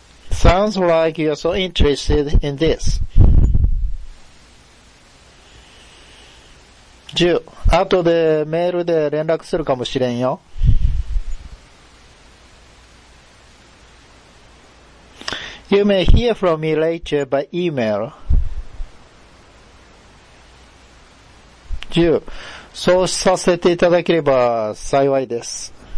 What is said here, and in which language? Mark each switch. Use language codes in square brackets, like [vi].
[en] Sounds like you're so interested in this. 10. [ja] 後でメールで連絡するかもしれんよ。 [en] You may hear from me later by email. 10. [ja] そうさせていただければ幸いです。